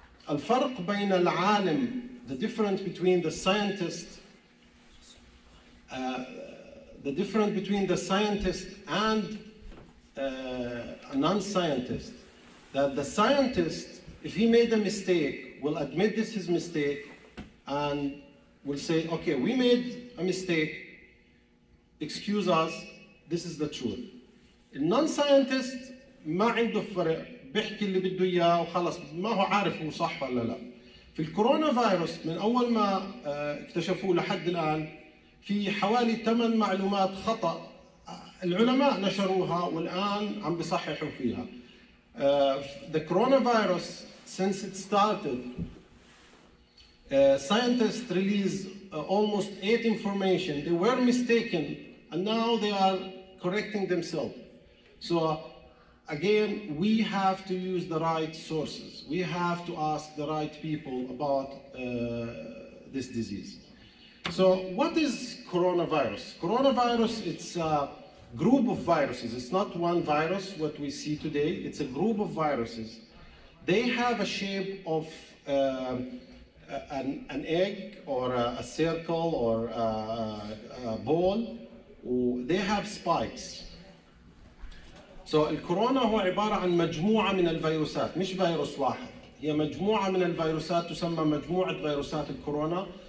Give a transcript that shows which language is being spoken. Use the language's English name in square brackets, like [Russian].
[Arabic] الفرق بين العالم, [English] the difference between the scientist, the difference between the scientist and a non-scientist, that the scientist, if he made a mistake, will admit this is his mistake and will say, okay, we made a mistake, excuse us, this is the truth. [Arabic] النون-ساينتست ما عنده فرق, بيحكي اللي بده إياه وخلص, ما هو عارف هو صح ولا لا. في الكورونا فيروس من أول ما اكتشفوه لحد الآن في حوالي 8 معلومات خطأ العلماء نشروها والآن عم بيصححوا فيها. [English] The coronavirus, since it started, scientists released almost 8 information. They were mistaken and now they are correcting themselves. So again, we have to use the right sources. We have to ask the right people about this disease. So what is coronavirus? Coronavirus, it's a group of viruses. It's not one virus, what we see today. It's a group of viruses. They have a shape of an egg or a circle or a ball. They have spikes. [Arabic] So الكورونا هو عبارة عن مجموعة من الفيروسات, مش فيروس واحد. هي مجموعة من الفيروسات تسمى مجموعة فيروسات الكورونا.